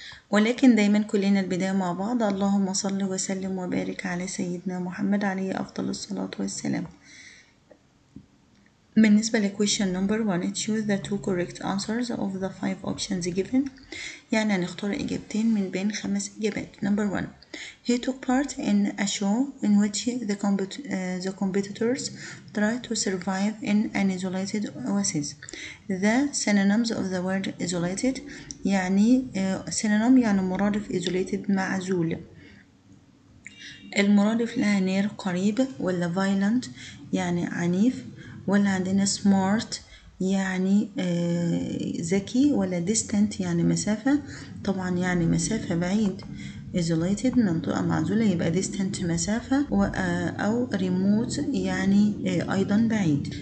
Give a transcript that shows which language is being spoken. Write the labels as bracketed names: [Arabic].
[Arabic] ولكن دايما كلنا البداية مع بعض، اللهم صل وسلم وبارك على سيدنا محمد عليه أفضل الصلاة والسلام. بالنسبة لـ [English] question number 1، choose the two correct answers of the 5 options given، [Arabic] يعني هنختار إجابتين من بين 5 إجابات. [English] number 1، he took part in a show in which the competitors tried to survive in an isolated oasis. the synonyms of the word isolated، [Arabic] يعني synonym يعني مرادف isolated معزول، المرادف لها near قريب، ولا violent يعني عنيف، ولا عندنا smart يعني ذكي، ولا distant يعني مسافة، طبعا يعني مسافة بعيد، isolated منطقة معزولة يبقى distant مسافة، أو remote يعني أيضا بعيد.